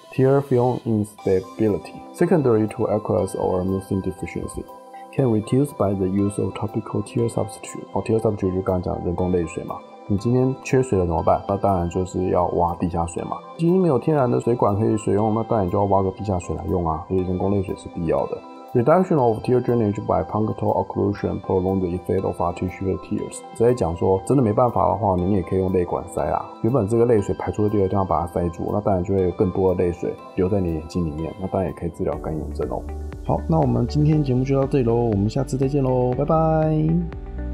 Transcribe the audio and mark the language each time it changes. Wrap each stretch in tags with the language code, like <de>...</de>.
<en>Tear film instability secondary to aqueous or mucin deficiency can reduce by the use of topical tear substitute。</en> <zh>哦 ，tear substitute 就刚讲人工泪水嘛。你今天缺水了怎么办？那当然就是要挖地下水嘛。今天没有天然的水管可以水用，那当然就要挖个地下水来用啊。所以人工泪水是必要的。</zh> <en>Reduction of tear drainage by punctal occlusion prolong the effect of artificial tears。</en> <zh>在讲说，真的没办法的话，你也可以用泪管塞啦。原本这个泪水排出的地方把它塞住，那当然就会有更多的泪水留在你眼睛里面，那当然也可以治疗干眼症哦。好，那我们今天节目就到这里喽，我们下次再见喽，拜拜。</zh>